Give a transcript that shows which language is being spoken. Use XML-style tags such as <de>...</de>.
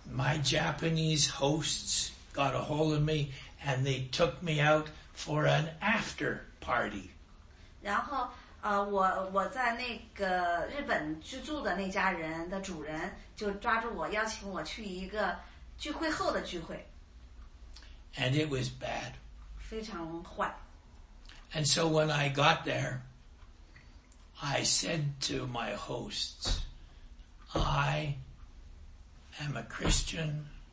<en>my Japanese hosts got a hold of me and they took me out for an after party.</en> <zh>然后, 我在那个日本居住的那家人的主人就抓住我，邀请我去一个聚会后的聚会。</zh> <en>And it was bad.</en> <zh>非常坏。</zh> <en>And so when I got there, I said to my hosts, I am a Christian.</en>